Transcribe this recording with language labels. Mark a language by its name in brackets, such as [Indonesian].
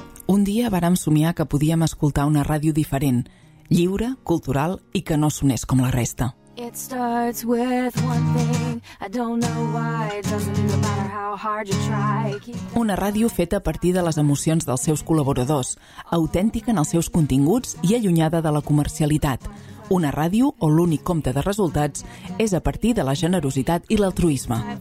[Catalan] Un dia vàrem somiar que podíem escoltar una ràdio diferent, lliure, cultural i que no sonés com la resta. [English] It starts with one thing, I don't know why, it doesn't matter how hard you try. [Catalan] Una ràdio feta a partir de les emocions dels seus col·laboradors, autèntica en els seus continguts i allunyada de la comercialitat. Una ràdio on l'únic compte de resultats és a partir de la generositat i l'altruisme.